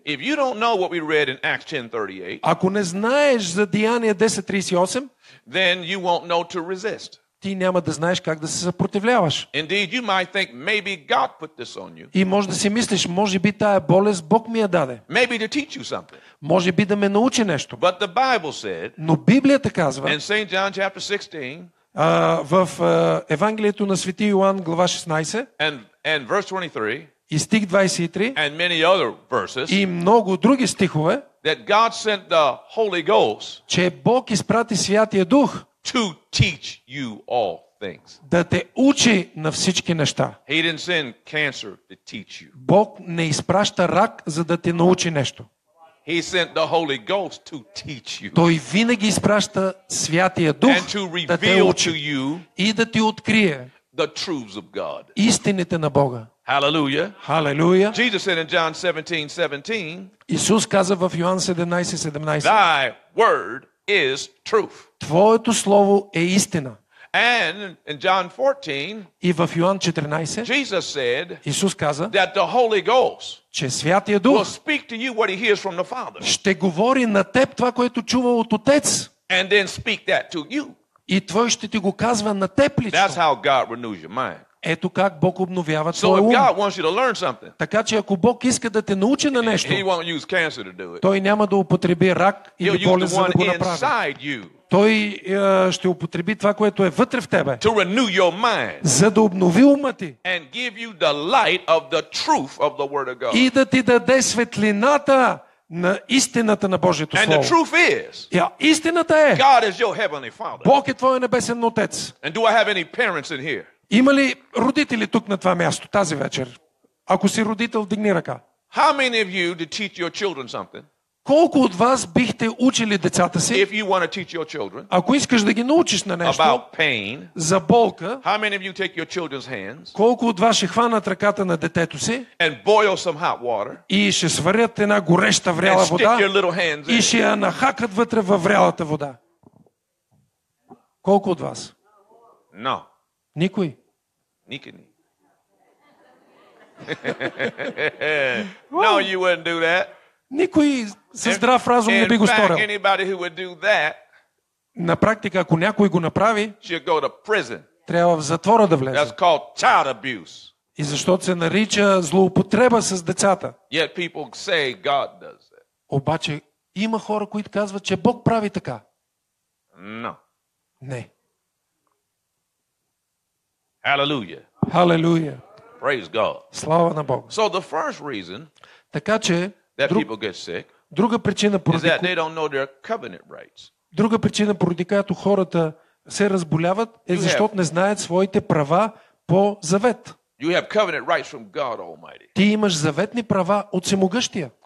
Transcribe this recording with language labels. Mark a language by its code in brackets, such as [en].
[en] If you don't know what we read in Acts 10:38. [bg] Ако не знаеш за Деяния 10:38. [en] Then you won't know to resist. [bg] Ти няма да знаеш как да се съпротивляваш. [en] Indeed, you might think maybe God put this on you. [bg] И може да си мислиш, може би тая болест Бог ми я даде. [en] Maybe to teach you something. [bg] Може би да ме научи нещо. [en] But the Bible said. [bg] Но Библията казва. [en] In St. John chapter 16. [bg] В Евангелието на Свети Йоан глава 16. [en] And verse 23. [bg] И стих 23. [en] And many other verses. [bg] И много други стихове. [en] That God sent the Holy Ghost. [bg] Че Бог изпрати Святия Дух. [en] To teach you all things. [bg] Да те учи на всички неща. [en] He didn't send cancer to teach you. [bg] Бог не изпраща рак, за да те научи нещо. [en] He sent the Holy Ghost to teach you. [bg] Той винаги изпраща Святия Дух, [en] and to reveal [bg] да те учи [en] to you [bg] и да ти открие [en] the truths of God. [bg] Истините на Бога. [en] Hallelujah. Hallelujah. Jesus said in John 17:17. [bg] Исус каза в Йоан 17:17. [en] Thy word is truth. [bg] Твоето слово е истина. [en] And in John 14, [bg] и в Йоан 14, [en] Jesus said, [bg] Исус каза, [en] that the Holy Ghost, [bg] че Святия Дух, [en] will speak to you what he hears from the Father. [bg] Ще говори на теб това, което чува от Отец. [en] And then speak that to you. [bg] И Той ще ти го казва на теб лично. [en] That's how God renews your mind. [bg] Ето как Бог обновява твой ум. [en] So God wants you to learn something. [bg] Така че ако Бог иска да те научи на нещо, [en] he won't use cancer to do it. [bg] Той няма да употреби рак или болест, за да го направи. Той ще употреби това, което е вътре в тебе, [en] to renew your mind, [bg] за да обнови ума ти [en] and give you the light of the truth of the word of God. [bg] И да ти даде светлината на истината на Божието Слово. [en] And the truth is, [bg] истината е, [en] God is your heavenly Father. [bg] Бог е твой небесен Отец. [en] And do I have any parents in here? [bg] Има ли родители тук на това място тази вечер? Ако си родител, дигни ръка. [en] How many of you did teach your children something? [bg] Колко от вас бихте учили децата си? [en] If you want to teach your children, [bg] ако искаш да ги научиш на нещо, [en] about pain, [bg] за болка, [en] how many of you take your children's hands, [bg] колко от вас ще хванат ръката на детето си, [en] and boil some hot water, [bg] и ще сварят една гореща вряла [en] and [bg] вода, [en] stick your little hands [bg] и ще я нахакат вътре във врялата вода? Колко от вас? [en] No. [bg] Никой? Никой. [en] No, you wouldn't do that. [bg] Никой със здрав разум не би го сторил. [en] Anybody who would do that, [bg] на практика, ако някой го направи, [en] should go to prison. [bg] Трябва в затвора да влезе. [en] That's called child abuse. [bg] И защото се нарича злоупотреба с децата. [en] Yet people say God does it. [bg] Обаче има хора, които казват, че Бог прави така. [en] No. [bg] Не. [en] Hallelujah. Hallelujah. Praise God. [bg] Слава на Бог. [en] So the first reason, [bg] така че, [en] that people get sick, [bg] друга причина поради, [en] is that they don't know their covenant rights. [bg] Друга причина поради която хората се разболяват е защото не знаят своите права по завет. [en] You have covenant rights from God Almighty. [bg] Ти имаш заветни права от Всемогъщия.